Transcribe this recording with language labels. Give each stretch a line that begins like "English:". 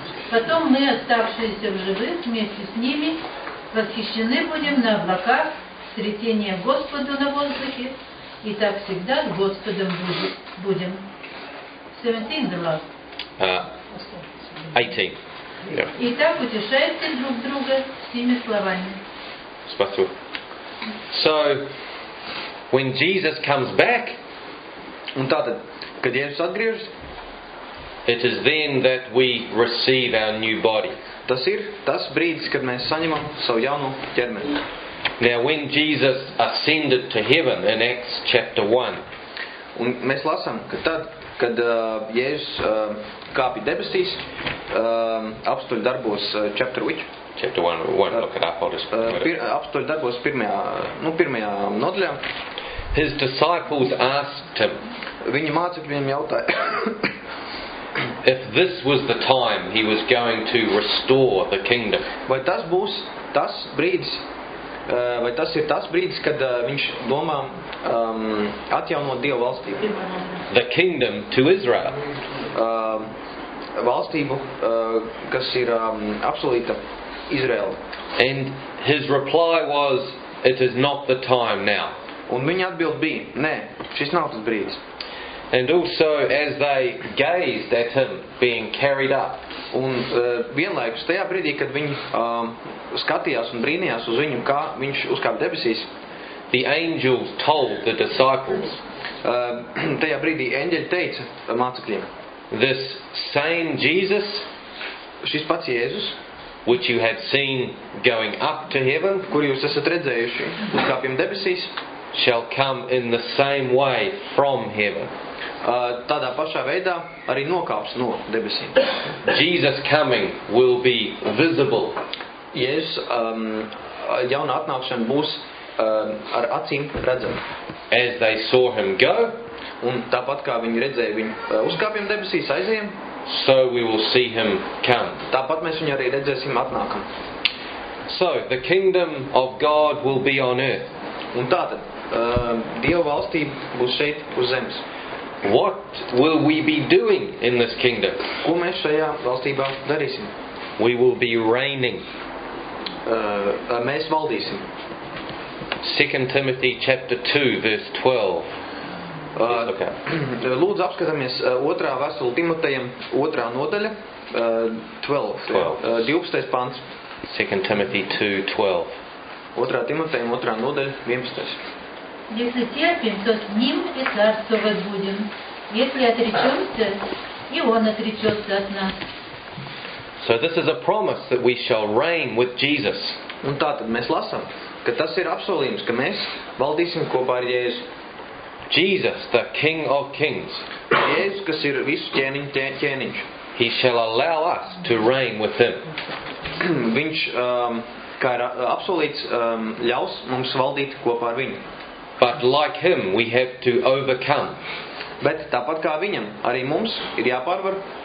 Russian: Потом мы, оставшиеся в живых, вместе с ними, восхищены будем на облаках, встретение Господу на воздухе, и так всегда с Господом будем. 17, Влад.
English: 18. Yeah.
Russian: И так утешайте друг друга всеми словами. Спасибо.
English: So, when Jesus comes back,
Latvian: un tātad, kad Jēzus atgriežas,
English: it is then that we receive our new body.
Latvian: Tas ir tas brīdis, kad mēs saņemam savu jauno ķermeni.
English: Now when Jesus ascended to heaven in Acts chapter 1.
Latvian: Un mēs lasām, ka tad, kad Jēzus kāpj debesīs, Apostoļu darbos
English: chapter 1. Chapter 1, look it up, I'll just...
Latvian: Apostoļu darbos pirmajā, nu, pirmajā nodaļā.
English: His disciples asked him.
Latvian: Viņi mācekļi viņam jautāja.
English: If this was the time he was going to restore the kingdom.
Latvian: Vai tas būs tas brīdis, vai tas ir tas brīdis, kad viņš domā atjaunot Dieva valstību?
English: The kingdom to Israel.
Latvian: Valstību, kas ir absolūta Izraela.
English: And his reply was, it is not the time now.
Latvian: Un viņa atbild bija, nē, šis nav tas brīdis.
English: And also as they gazed at him being carried up.
Latvian: Un vienlaikus tajā brīdī, kad viņi skatījās un brīnījās uz viņu, kā viņš uzkāpa debesīs,
English: the angels told the disciples.
Latvian: Tajā brīdī eņģeļi teica mācekļiem.
English: This same Jesus,
Latvian: šis pats Jēzus,
English: which you had seen going up to heaven,
Latvian: kur jūs esat redzējuši uzkāpjam debesīs,
English: shall come in the same way from heaven.
Latvian: Tādā pašā veidā arī nokāps no debesīm.
English: Jesus coming will be visible.
Latvian: Jēzus jauna atnākšana būs ar acīm redzama.
English: As they saw him go,
Latvian: un tāpat kā viņi redzēja viņu uzkāpjam debesīs, aizējam,
English: so we will see him come.
Latvian: Tāpat mēs viņu arī redzēsim atnākam.
English: So the kingdom of God will be on earth.
Latvian: Un tātad Dieva valstība būs šeit uz zemes.
English: What will we be doing in this kingdom?
Latvian: Ko mēs šajā valstībā darīsim?
English: We will be reigning.
Latvian: Mēs valdīsim.
English: 2 Timothy chapter 2 verse 12.
Latvian: Okay. Lūdzu apskatāmies 2. Vēstuli Timotejam 2. Nodaļa 12. 12. 12.
English: Pants. 2 Timothy 2 12.
Latvian: 2. Timotejam 2. Nodaļa 11.
Russian: Если терпим, то с ним и царство возбудим. Если отречемся, и он отречется от нас.
English: So this is a promise that we shall reign with Jesus.
Latvian: Un tātad mēs lasām, ka tas ir apsolījums, ka mēs valdīsim kopā ar Jēzu.
English: Jesus, the King of Kings.
Latvian: Jēzus, kas ir visu ķēniņu ķēniņš.
English: He shall allow us to reign with him.
Latvian: Viņš, kā ir apsolīts, ļaus mums valdīt kopā ar viņu.
English: But like him, we have to overcome.
Latvian: Bet tāpat kā viņam, arī mums ir jāpārvar.